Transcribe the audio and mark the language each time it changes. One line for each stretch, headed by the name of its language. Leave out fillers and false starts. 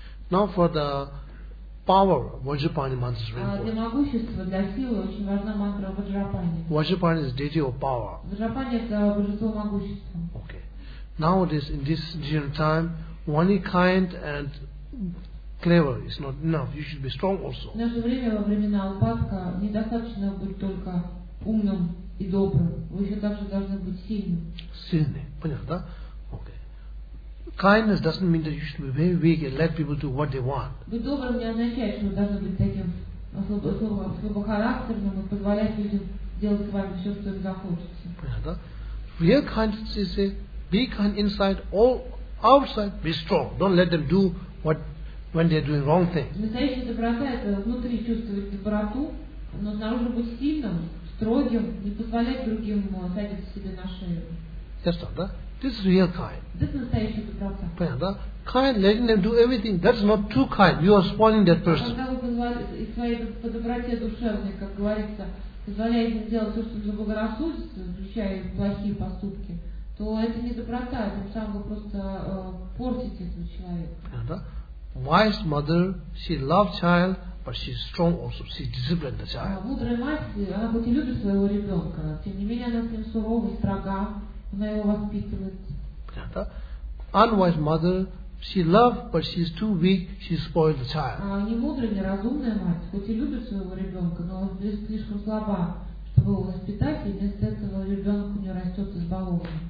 English: Now for the power, Vajrapani mantra is very important.
Russian: Для могущества, для силы очень важна мантра Vajrapani.
English: Vajrapani is deity of power.
Russian: Vajrapani это божество могущества.
English: Okay. Nowadays, in this digital time, only kind and clever is not enough. You should be strong also.
Russian: В наше время, во времена упадка, недостаточно быть только умным и добрым. Вы еще также должны быть сильным. Сильный. Понятно, да? Okay.
English: Kindness doesn't mean that you should be very weak and let people do what they want.
Russian: Быть добрым не означает, что вы должны быть таким слабохарактерным и позволять людям делать с вами все, что им захочется. Понятно, да?
English: Real kindness is a be kind inside, all outside, be strong. Don't let them do what when they're doing wrong things.
Russian: Настоящая доброта это внутри чувствовать доброту, но снаружи быть сильным, строгим, не позволять другим садиться себе на шею.
English: That's not, да? This is real kind. This is
Russian: настоящая доброта. Понятно, да?
English: Kind, letting them do everything, that's not too kind. You are spoiling that person.
Russian: Когда вы позволяете своей по доброте душевной, как говорится, позволяете делать все, что заблагорассудится, включая плохие поступки, то это не доброта, это сам вы просто портите этого человека. Да?
English: Wise mother, she loves child, but she's strong also, she disciplines the child.
Russian: Мудрая мать, она хоть и любит своего ребенка, тем не менее она с ним сурова, строга, она его воспитывает. Да?
English: Unwise mother, she loves, but she's too weak, she spoils the child.
Russian: А не мудрая, не разумная мать, хоть и любит своего ребенка, но она слишком слаба, чтобы его воспитать, и вместо этого ребенок у нее растет избалованный.